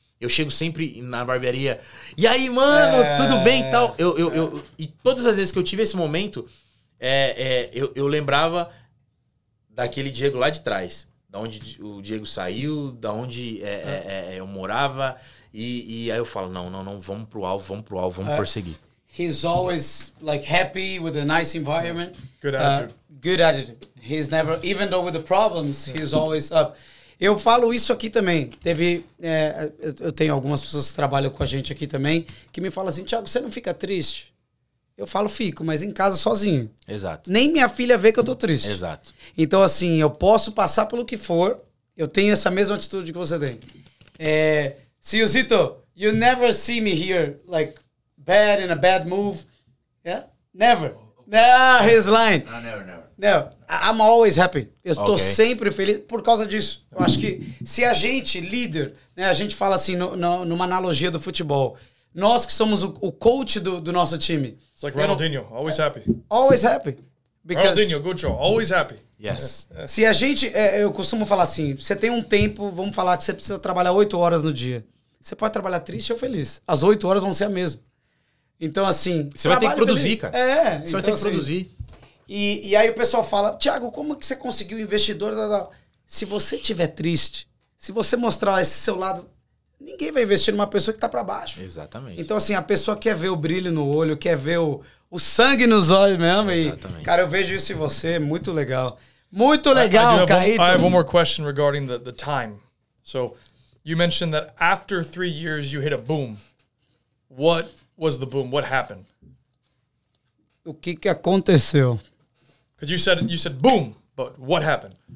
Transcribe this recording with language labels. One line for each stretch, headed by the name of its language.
Portuguese: Eu chego sempre na barbearia, e aí, mano, tudo bem e tal? E todas as vezes que eu tive esse momento... Eu lembrava daquele Diego lá de trás, da onde o Diego saiu, da onde eu morava, e aí eu falo, não, vamos pro alvo, vamos prosseguir.
English: He's always like happy with a nice environment. Good attitude. He's never, even though with the problems, he's always up.
Portuguese: Eu falo isso aqui também, eu tenho algumas pessoas que trabalham com a gente aqui também, que me falam assim, Thiago, você não fica triste? Eu falo, fico, mas em casa sozinho. Exato. Nem minha filha vê que eu tô triste. Exato. Então, assim, eu posso passar pelo que for. Eu tenho essa mesma atitude que você tem.
English: Silzito, you never see me here, like, bad, in a bad move. Yeah? Never. He's lying. Never. I'm always happy.
Portuguese: Eu tô sempre feliz por causa disso. Eu acho que se a gente, líder, né, a gente fala assim, numa analogia do futebol, nós que somos o coach do nosso time.
English: It's like Ronaldinho, always happy. Always happy. Because Ronaldinho, good job. Always happy. Yes.
Portuguese: Se a gente, eu costumo falar assim, você tem um tempo, vamos falar que você precisa trabalhar 8 horas no dia. Você pode trabalhar triste ou feliz. As 8 horas vão ser a mesma. Então, assim... Você vai ter que produzir, feliz. Cara. É. Você vai ter que produzir. E aí o pessoal fala, Thiago, como que você conseguiu investidor? Se você estiver triste, se você mostrar esse seu lado... Ninguém vai investir numa pessoa que tá pra baixo. Exatamente. Então, assim, a pessoa quer ver o brilho no olho, quer ver o sangue nos olhos mesmo. Exatamente. E, cara, eu vejo isso em você. Muito legal. Muito legal, Caíto.
English: I have one more question regarding the time. So, You mentioned that after 3 years, you hit a boom. What was the boom? What happened?
Portuguese: O que que aconteceu?
English: Because you said boom, but what happened?